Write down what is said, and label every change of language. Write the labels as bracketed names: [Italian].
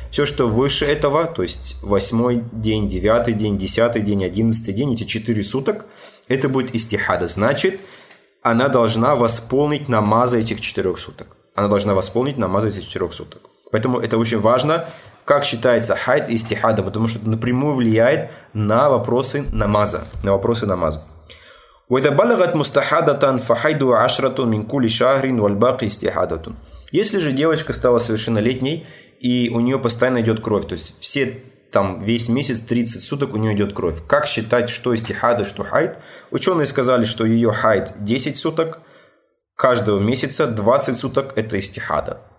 [Russian] Все, что выше этого, то есть 8 день, 9 день, 10 день, 11 день, эти 4 суток, это будет истихада. Значит, она должна восполнить намазы этих 4 суток. Она должна восполнить намазы этих 4 суток. Поэтому это очень важно, как считается хайд и истихада, потому что это напрямую влияет на вопросы намаза, на вопросы намаза. [Arabic] وإذا بلغت مستحادة فحيدها عشرة من كل شهر والباقي استحادة. [Russian] Если же девочка стала совершеннолетней и у нее постоянно идет кровь, то есть все там весь месяц 30 суток у нее идет кровь, как считать, что истихада, что хайд? Ученые сказали, что ее хайд 10 суток каждого месяца, 20 суток это истихада.